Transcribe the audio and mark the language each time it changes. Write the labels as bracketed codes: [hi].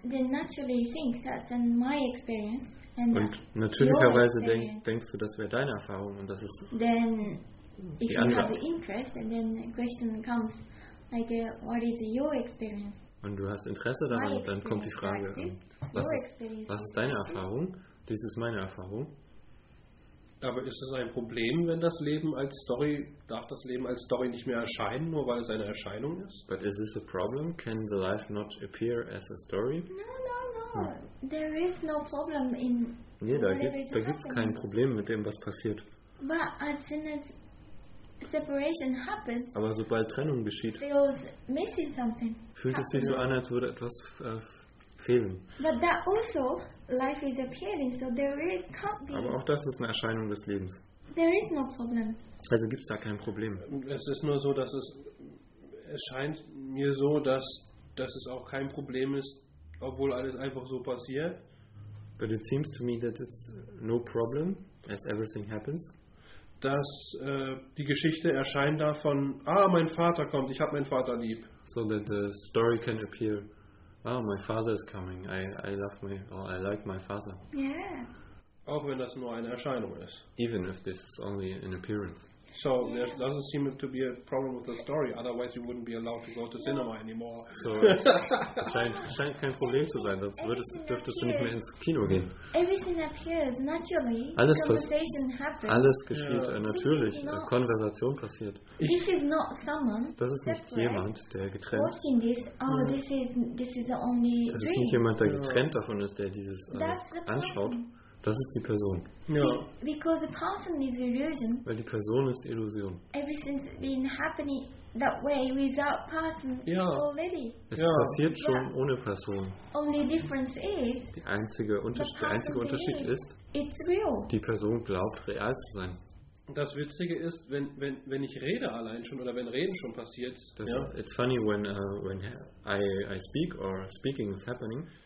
[en] Then naturally you think that's in my experience. And [de] und natürlicherweise denkst du, das wäre deine Erfahrung und das ist [en] then [de] die andere. [en] Then if you have the interest, and then the question comes, like, what is your experience? [de] Und du hast Interesse daran, und dann kommt die Frage, was ist deine Erfahrung? Dies ist meine Erfahrung. Aber ist es ein Problem, wenn das Leben als Story, darf das Leben als Story nicht mehr erscheinen, nur weil es eine Erscheinung ist? [en] But is this a problem? Can the life not appear as a story? No. There is no problem in. [de] Nee, da gibt es kein Problem mit dem, was passiert. [en] But as soon as separation happens, [de] aber sobald Trennung geschieht, [en] feels missing something. [de] Fühlt es sich so an, als würde etwas fehlen. [en] But that also life is appearing, so there can't be. [de] Aber auch das ist eine Erscheinung des Lebens. [en] There is no problem. [de] Also gibt es da kein Problem. Es ist nur so, dass es scheint mir so, dass es auch kein Problem ist, obwohl alles einfach so passiert. [en] But it seems to me that it's no problem, as everything happens. [de] Dass die Geschichte erscheint davon, mein Vater kommt, ich habe meinen Vater lieb. [en] So that the story can appear. Oh, my father is coming. I like my father. Yeah. [de] Auch wenn das nur eine Erscheinung ist. [en] Even if this is only an appearance. So yeah. There doesn't seem to be a problem with the story, otherwise you wouldn't be allowed to go to cinema anymore. [de] So scheint kein Problem zu sein, sonst dürftest du nicht mehr ins Kino gehen. [en] Everything appears naturally. [de] Alles [en] conversation happens. [de] Alles geschieht natürlich, Konversation passiert. [en] This is not someone. [de] Das ist nicht jemand, der getrennt. [en] Watching this, this is the only dream. [de] Das ist nicht jemand, der getrennt davon ist, der dieses anschaut. Das ist die Person. [en] No. Because the person is illusion. [de] Weil die Person ist Illusion. [en] Everything's been happening that way without person already. [de] Es passiert schon ohne Person. [en] Only difference is. [de] Der einzige Unterschied ist. [en] It's real. [de] Die Person glaubt real zu sein. Das Witzige ist, wenn ich rede allein schon oder wenn Reden schon passiert. [en] It's funny when I speak or speaking is happening.